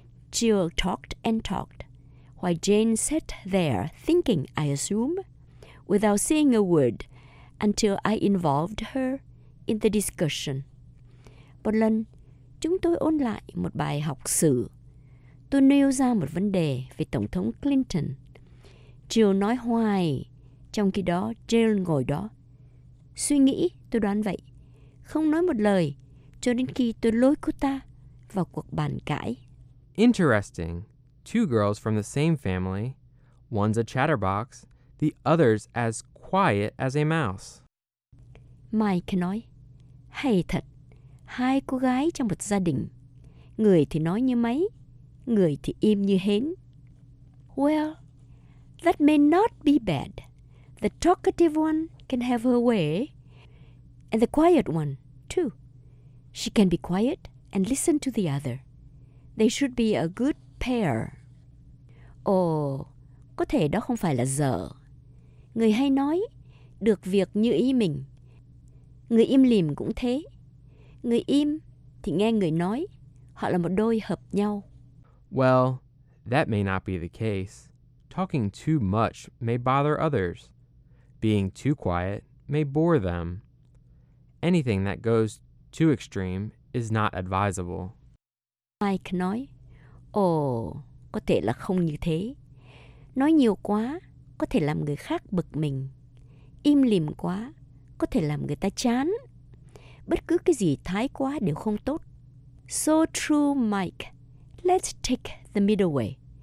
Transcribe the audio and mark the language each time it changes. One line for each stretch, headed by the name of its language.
English: Jill talked and talked, while Jane sat there thinking, I assume, without saying a word, until I involved her in the discussion.
Vietnamese: Một lần, chúng tôi ôn lại một bài học sử. Tôi nêu ra một vấn đề về Tổng thống Clinton. Jill nói hoài, trong khi đó Jill ngồi đó. Suy nghĩ, tôi đoán vậy. Không nói một lời, cho đến khi tôi lôi cô ta vào cuộc bàn cãi.
English: Interesting. Two girls from the same family. One's a chatterbox, the other's as quiet as a mouse.
Vietnamese: Mike nói, hay thật. Hai cô gái trong một gia đình. Người thì nói như máy, người thì im như hến.
English: Well, that may not be bad. The talkative one can have her way. And the quiet one, too. She can be quiet and listen to the other. They should be a good pair.
Vietnamese: Oh, có thể đó không phải là dở. Người hay nói, được việc như ý mình. Người im lìm cũng thế. Người im thì nghe người nói. Họ là một đôi hợp nhau.
English: Well, that may not be the case. Talking too much may bother others. Being too quiet may bore them. Anything that goes too extreme is not advisable.
Vietnamese: Mike nói, ồ, có thể là không như thế. Nói nhiều quá có thể làm người khác bực mình. Im lìm quá có thể làm người ta chán. Bất cứ cái gì thái quá đều không tốt.
English: So true, Mike. Let's take the middle way.